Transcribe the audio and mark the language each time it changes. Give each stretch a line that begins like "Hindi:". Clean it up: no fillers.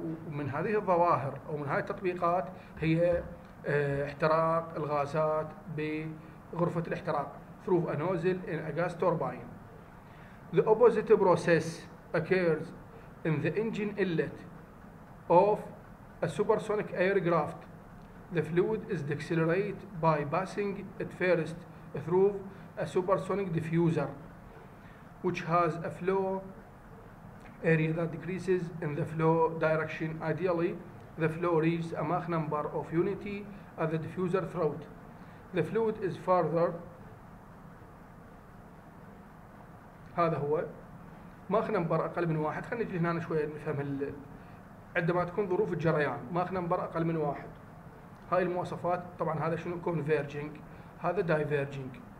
Arabic: من هذه الظواهر أو من هذه التطبيقات هي احتراق الغازات بغرفة الاحتراق
English: through a nozzle in a gas turbine. The opposite process occurs in the engine inlet of a supersonic aircraft. The fluid is decelerated by passing it first through a supersonic diffuser which has a flow area that decreases in the flow direction. Ideally the flow reaches a Mach number of unity at the diffuser throat. The fluid is further.
Arabic: هذا هو Mach number أقل من واحد. خلينا نجي هنا شوية نفهم عندما تكون ظروف الجريان Mach number أقل من واحد. هاي المواصفات طبعا هذا شنو converging هذا diverging.